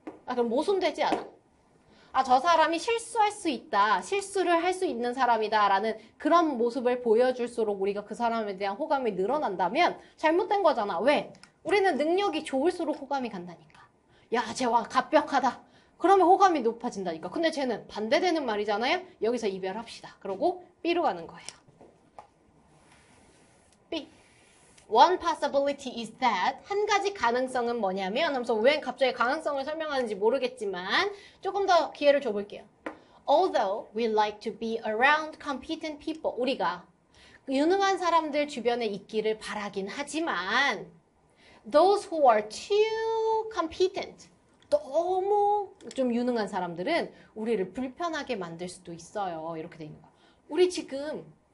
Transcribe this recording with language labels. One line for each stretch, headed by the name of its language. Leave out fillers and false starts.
Korean: 아, 그럼 모순되지 않아? 아, 저 사람이 실수할 수 있다, 실수를 할수 있는 사람이다라는 그런 모습을 보여줄수록 우리가 그 사람에 대한 호감이 늘어난다면 잘못된 거잖아. 왜? 우리는 능력이 좋을수록 호감이 간다니까. 야, 쟤와 갑벽하다. 그러면 호감이 높아진다니까. 근데 쟤는 반대되는 말이잖아요? 여기서 이별합시다. 그러고 B로 가는 거예요.
English: One possibility is that.
Korean: 한 가지 가능성은 뭐냐면, 하면서 왜 갑자기 가능성을 설명하는지 모르겠지만, 조금 더 기회를 줘볼게요.
English: Although we like to be around competent people.
Korean: 우리가 유능한 사람들 주변에 있기를 바라긴 하지만,
English: those who are too competent.
Korean: 너무 좀 유능한 사람들은 우리를 불편하게 만들 수도 있어요. 이렇게 돼 있는 거야. 우리 지금